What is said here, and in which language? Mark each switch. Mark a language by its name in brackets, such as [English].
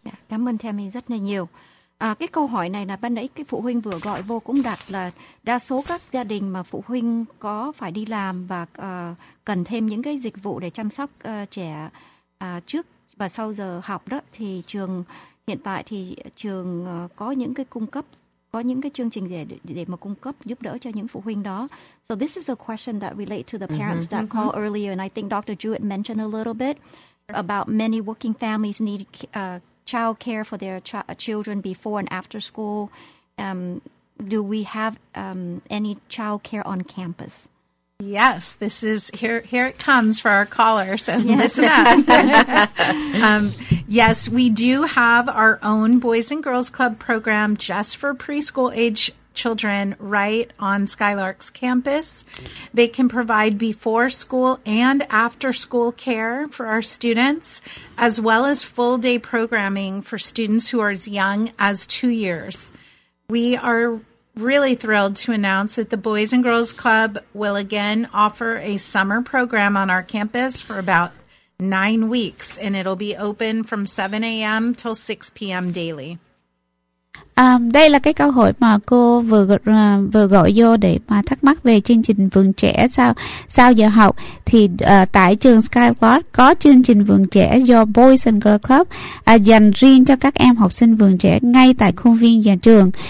[Vietnamese] Cảm ơn Tammy rất là nhiều. Cái câu hỏi này là ban nãy cái phụ huynh vừa gọi vô cũng đặt là đa số các gia đình mà phụ huynh có phải đi làm và cần thêm những cái dịch vụ để chăm sóc trẻ trước và sau giờ học đó, thì trường hiện tại thì trường có những cái chương trình để mà cung cấp giúp đỡ cho những phụ huynh đó. [English] So this is a question that relate to the parents mm-hmm. that call mm-hmm. earlier, and I think Dr. Jewett mentioned a little bit about many working families need child care for their children before and after school. Do we have any child care on campus? Yes, this is here it comes for our callers and yes. listen up. yes, we do have our own Boys and Girls Club program just for preschool age children right on Skylark's campus. They can provide before school and after school care for our students, as well as full day programming for students who are as young as 2 years. We are really thrilled to announce that the Boys and Girls Club will again offer a summer program on our campus for about 9 weeks, and it'll be open from 7 a.m. till 6 p.m. daily. [Vietnamese] Đây là cái câu hỏi mà cô vừa gọi vô để mà thắc mắc về chương trình Vườn Trẻ sau giờ học. Thì tại trường Skyward có chương trình Vườn Trẻ do Boys and Girls Club dành riêng cho các em học sinh Vườn Trẻ ngay tại khuôn viên nhà trường.